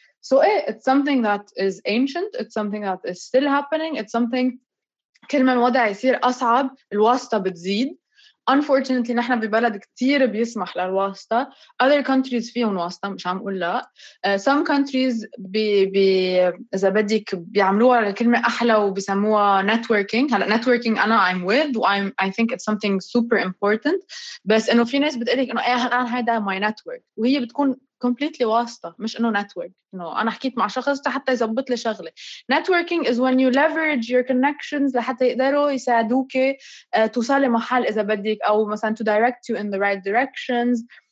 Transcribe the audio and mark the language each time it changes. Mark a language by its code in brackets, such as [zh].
[en] So إيه, it's something that is ancient, it's something that is still happening, it's something [ar] كل ما الوضع يصير أصعب الواسطة بتزيد. unfortunately نحن ببلد كتير بيسمح للواسطة. [en] Other countries [ar] فيهم واسطة مش عم أقول لا. [en] Some countries [ar] إذا بدك بيعملوها لكلمة أحلى وبيسموها networking. هلا networking أنا [en] I'm with وI'm I think it's something super important. [ar] بس إنه في ناس بتقولك إنه إيه أنا هذا [en] my network [ar] وهي بتكون completely واسطة مش إنه network. إنه أنا حكيت مع شخص حتى يزبط لي شغلة. [en] Networking is when you leverage your connections [ar] لحتى يقدروا يساعدوك توصلي محل إذا بدك أو مثلا [en] to direct you in the right directions.